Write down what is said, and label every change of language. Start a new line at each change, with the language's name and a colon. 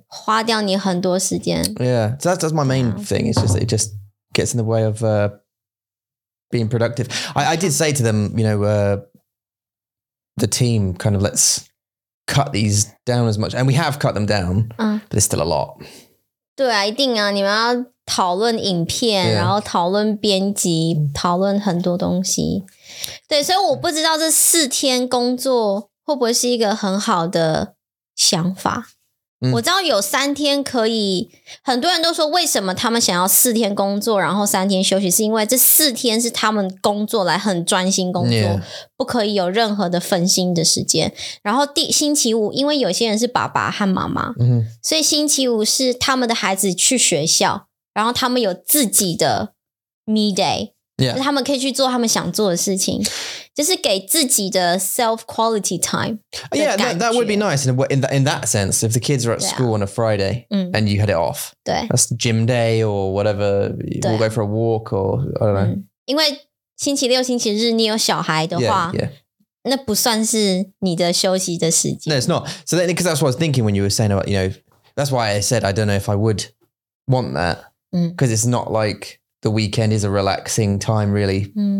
Chinese: 花掉你很多时间
English: Yeah So that's my main thing It's just It just gets in the way of Being productive I did say to them You know The team Kind of let's Cut these down as much And we have cut them down、But it's still a lot
Chinese: 对啊一定啊你们要讨论影片、yeah. 然后讨论编辑讨论很多东西对所以我不知道这四天工作会不会是一个很好的想法、嗯、我知道有三天可以很多人都说为什么他们想要四天工作然后三天休息是因为这四天是他们工作来很专心工作、
English: yeah.
Chinese: 不可以有任何的分心的时间然后第星期五因为有些人是爸爸和妈妈、嗯、所以星期五是他们的孩子去学校然后他们有自己的 me day
English: Yeah.
Chinese: 他们可以去做他们想做的事情就是给自己的 self-quality time 的感觉
English: Yeah, that would be nice in that sense If the kids are at school、yeah. on a Friday、 mm. And you had it off
Chinese: 对
English: That's gym day or whatever We'll go for a walk or I don't know、嗯、
Chinese: 因为星期六星期日你有小孩的话
English: yeah,
Chinese: 那不算是你的休息的时间
English: No, it's not So then, because that's what I was thinking when you were saying about, you know That's why I said I don't know if I would want that Because、嗯、 it's not likeThe weekend is a relaxing time, really.